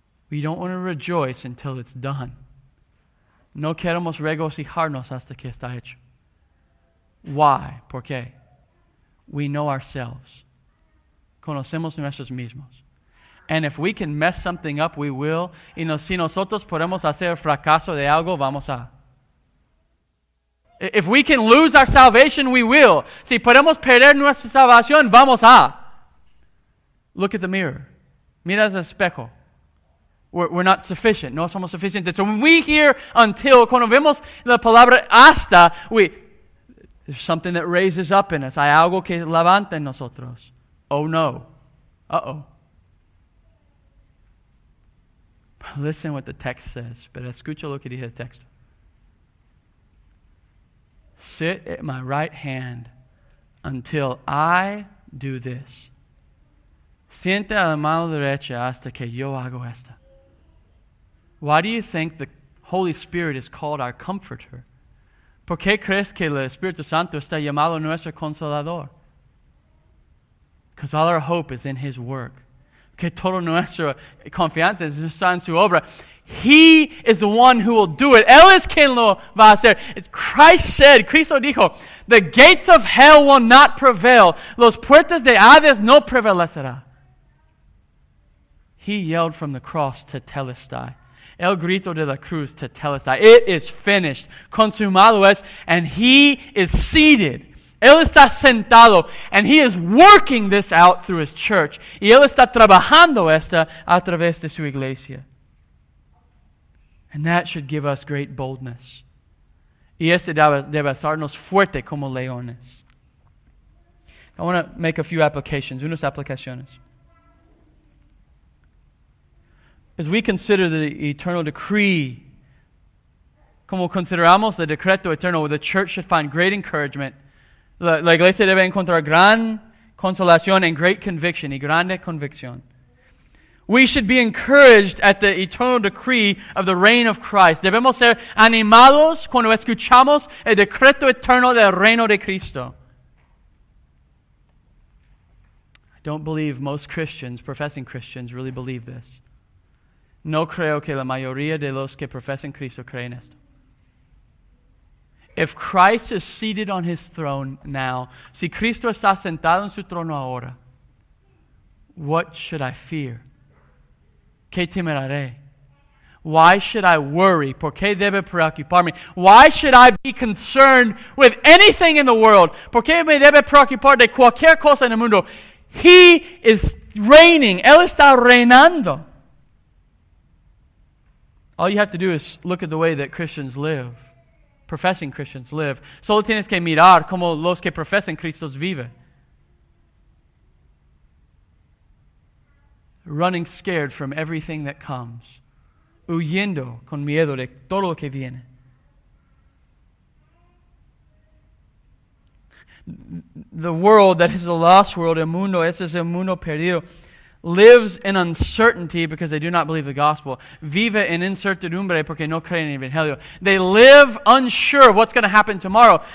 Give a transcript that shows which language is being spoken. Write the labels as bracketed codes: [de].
[en] We don't want to rejoice until it's done. [es] No queremos regocijarnos hasta que está hecho. [en] Why? [es] ¿Por qué? [en] We know ourselves. [es] Conocemos nosotros mismos. [en] And if we can mess something up, we will. [es] Y no, si nosotros podemos hacer fracaso de algo, vamos a. [en] If we can lose our salvation, we will. [es] Si podemos perder nuestra salvación, vamos a. [en] Look at the mirror. [es] Mira el espejo. [en] We're not sufficient. [es] No somos suficientes. [en] So when we hear until, [es] cuando vemos la palabra hasta, [en] we, there's something that raises up in us. [es] Hay algo que levanta en nosotros. [en] Oh no. Uh-oh. But listen what the text says. [es] Pero escucha lo que dice el texto. [en] Sit at my right hand until I do this. [es] Siente a la mano derecha hasta que yo hago esta. [en] Why do you think the Holy Spirit is called our comforter? [es] ¿Por qué crees que el Espíritu Santo está llamado nuestro consolador? [en] Because all our hope is in his work. [es] Que toda nuestra confianza está en su obra. [en] He is the one who will do it. [es] Él es quien lo va a hacer. [en] Christ said, [es] Cristo dijo, [en] the gates of hell will not prevail. [es] Los puertas de Hades no prevalecerá. [en] He yelled from the cross, [es] tetelestai. El grito de la cruz, tetelestai. [en] It is finished. [es] Consumado es. [en] And he is seated. [es] Él está sentado. [en] And he is working this out through his church. [es] Y él está trabajando esta a través de su iglesia. [en] And that should give us great boldness. [es] Y este debe hacernos fuerte como leones. [en] I want to make a few applications. [es] Unas aplicaciones. [en] As we consider the eternal decree, [es] como consideramos el decreto eterno, [en] the church should find great encouragement. [es] La iglesia debe encontrar gran consolación [en] and great conviction, [es] y grande convicción. [en] We should be encouraged at the eternal decree of the reign of Christ. [es] Debemos ser animados cuando escuchamos el decreto eterno del reino de Cristo. [en] I don't believe most Christians, professing Christians, really believe this. [es] No creo que la mayoría de los que profesan Cristo creen esto. [en] If Christ is seated on his throne now, [es] si Cristo está sentado en su trono ahora, [en] what should I fear? [es] ¿Qué temeraré? [en] Why should I worry? [es] ¿Por qué debe preocuparme? [en] Why should I be concerned with anything in the world? [es] ¿Por qué me debe preocupar de cualquier cosa en el mundo? [en] He is reigning. [es] Él está reinando. [en] All you have to do is look at the way that Christians live, professing Christians live. [es] Solo tienes que mirar como los que profesan Cristo vive. [en] Running scared from everything that comes. [es] Huyendo con miedo de todo lo que viene. [en] The world, that is the lost world, [es] el mundo, ese es el mundo perdido, [en] lives in uncertainty because they do not believe the gospel. [es] Vive en incertidumbre porque no creen en el evangelio. [en] They live unsure of what's going to happen tomorrow.